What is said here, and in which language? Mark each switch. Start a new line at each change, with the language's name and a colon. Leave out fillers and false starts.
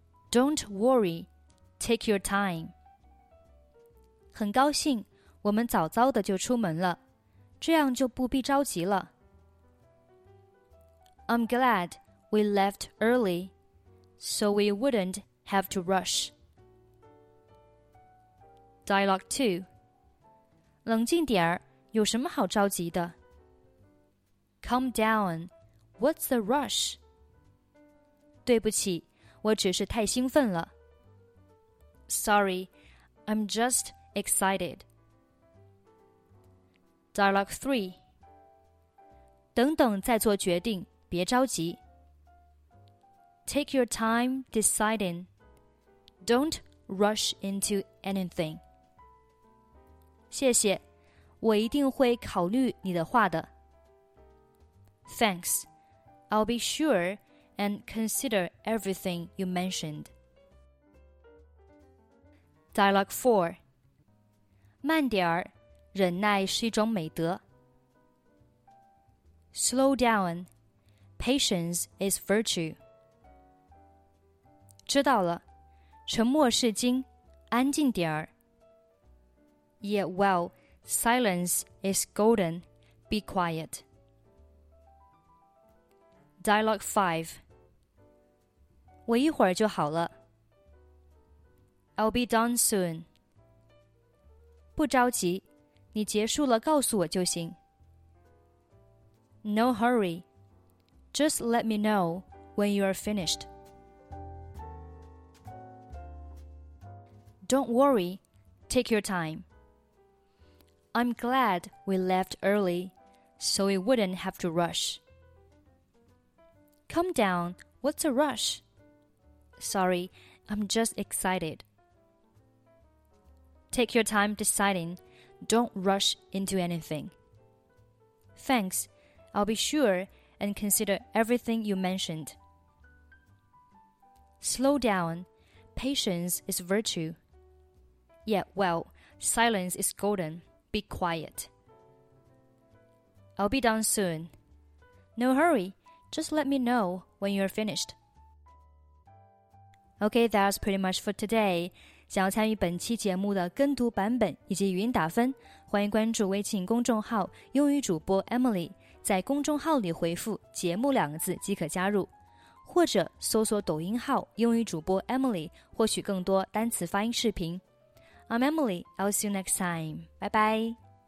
English: Don't worry, take your time.
Chinese: 很高兴，我们早早的就出门了，这样就不必着急了。
English: I'm glad we left early, so we wouldn't have to rush. Dialogue 2.
Chinese: 冷静点儿，有什么好着急的?
English: Calm down. What's the rush?
Chinese: 对不起，我只是太兴奋了。
English: Sorry, I'm just excited. Dialogue 3.
Chinese: 等等再做决定，别着急。
English: Take your time deciding. Don't rush into anything.
Chinese: 谢谢，我一定会考虑你的话的。
English: Thanks, I'll be sure and consider everything you mentioned. Dialogue 4.
Chinese: 慢点儿，忍耐是一种美德。
English: Slow down, patience is virtue.
Chinese: 知道了，沉默是金，安静点儿。
English: Yeah, well, silence is golden. Be quiet. Dialogue 5.
Chinese: 我一会儿就好了。
English: I'll be done soon.
Chinese: 不着急，你结束了告诉我就行。
English: No hurry. Just let me know when you are finished. Don't worry. Take your time. I'm glad we left early, so we wouldn't have to rush. Come down, what's a rush? Sorry, I'm just excited. Take your time deciding, don't rush into anything. Thanks, I'll be sure and consider everything you mentioned. Slow down, patience is virtue. Yeah, well, silence is golden, be quiet. I'll be done soon. No hurry, just let me know when you're finished. Okay, that's pretty much for today.
Chinese: 想要参与本期节目的跟读版本以及语音打分，欢迎关注微信公众号英语主播 Emily， 在公众号里回复节目两个字即可加入，或者搜索抖音号英语主播 Emily 获取更多单词发音视频。
English: I'm Emily, I'll see you next time. Bye bye.